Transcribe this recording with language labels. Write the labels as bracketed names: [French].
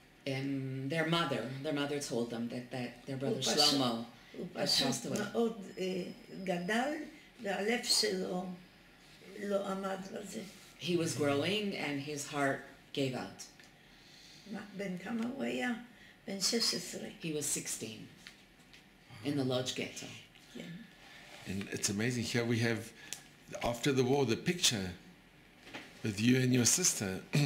[English] Their mother told them that their brother Shlomo passed away. [Hebrew] הוא פשוט מאוד גדל והלב שלו לא עמד בזה. [English] He was growing and his heart gave out. [Hebrew] בן כמה הוא היה? בן 16. [English] He was 16 in the Lodz ghetto. And it's amazing, here we have, after the war, the picture with you and your sister.